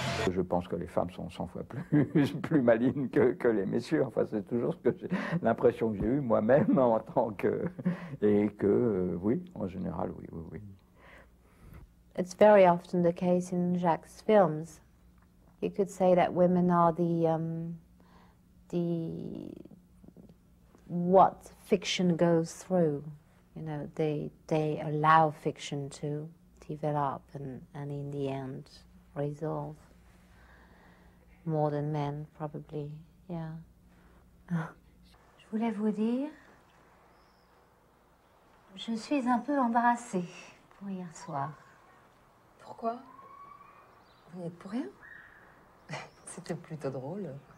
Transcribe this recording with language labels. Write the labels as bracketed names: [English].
[French] Je pense que les femmes sont 100 fois plus malines que les messieurs. Enfin, c'est toujours l'impression que j'ai eue moi-même en tant que... oui, en général, oui. [English] It's very often the case in Jacques' films. You could say that women are the what fiction goes through. You know, they allow fiction to develop and in the end resolve. More than men, probably, yeah. [French] Je voulais vous dire, je suis un peu embarrassée pour hier soir. Pourquoi? Vous n'êtes pour rien? C'était plutôt drôle.